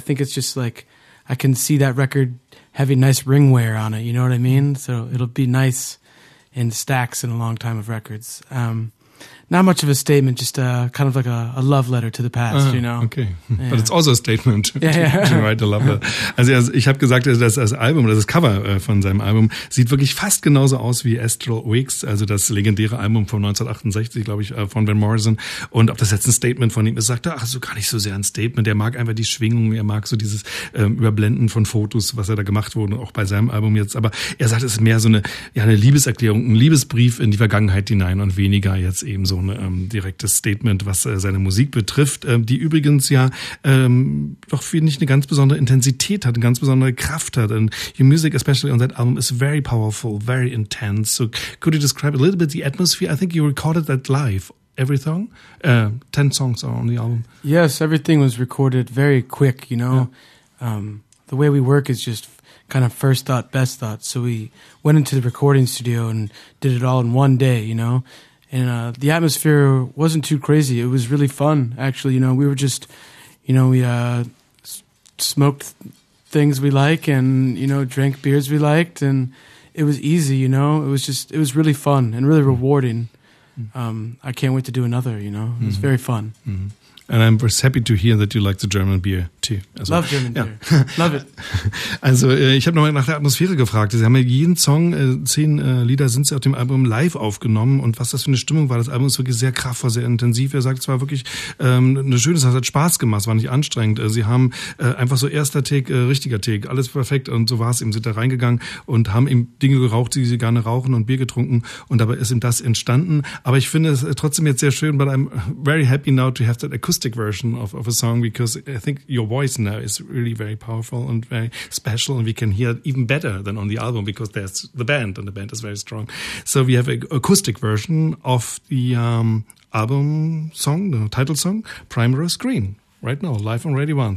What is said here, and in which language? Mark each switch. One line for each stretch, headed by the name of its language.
English: I think it's just like I can see that record having nice ring wear on it. You know what I mean? So it'll be nice in stacks in a long time of records. Not much of a statement, just kind of like a love letter to the past, you know. Okay, yeah. But it's also a statement to write a love letter.
German: Also ich habe gesagt, dass das Album oder das Cover von seinem Album sieht wirklich fast genauso aus wie Astral Weeks, also das legendäre Album von 1968, glaube ich, von Van Morrison. Und ob das jetzt ein Statement von ihm ist, sagt er, ach so, gar nicht so sehr ein Statement. Er mag einfach die Schwingung, er mag so dieses Überblenden von Fotos, was er da gemacht wurde, auch bei seinem Album jetzt. Aber er sagt, es ist mehr so eine Liebeserklärung, ein Liebesbrief in die Vergangenheit hinein und weniger jetzt eben so ein direktes Statement, was seine Musik betrifft, die übrigens ja doch für mich eine ganz besondere Intensität hat, eine ganz besondere Kraft hat.
English: And your music, especially on that album, is very powerful, very intense. So could you describe a little bit the atmosphere? I think you recorded that live. Everything? 10 songs are on the album. Yes, everything was recorded very quick, you know. Yeah. The way we work is just kind of first thought, best thought. So we went into the recording studio and did it all in one day, you know. And the atmosphere wasn't too crazy. It was really fun, actually. You know, we were just, you know, we smoked things we like and, you know, drank beers we liked. And it was easy, you know. It was just, it was really fun and really rewarding. I can't wait to do another, you know. It's very fun. And I'm happy to hear that you like the German beer too. Also, love German beer. Love it.
German: Also, ich habe nochmal nach der Atmosphäre gefragt. Sie haben ja jeden Song, 10 Lieder sind sie auf dem Album live aufgenommen. Und was das für eine Stimmung war, das Album ist wirklich sehr kraftvoll, sehr intensiv. Er sagt, es war wirklich eine schöne Sache, es hat Spaß gemacht, es war nicht anstrengend. Sie haben einfach so erster Take, richtiger Take, alles perfekt. Und so war es eben, sind da reingegangen und haben eben Dinge geraucht, die sie gerne rauchen und Bier getrunken. Und dabei ist eben das entstanden. Aber ich finde es trotzdem jetzt sehr schön,
English: but I'm very happy now to have that acoustic version of a song, because I think your voice now is really very powerful and very special, and we can hear it even better than on the album, because there's the band and the band is very strong. So we have an acoustic version of the album song, the title song, Primrose Green, right now, live on Radio 1.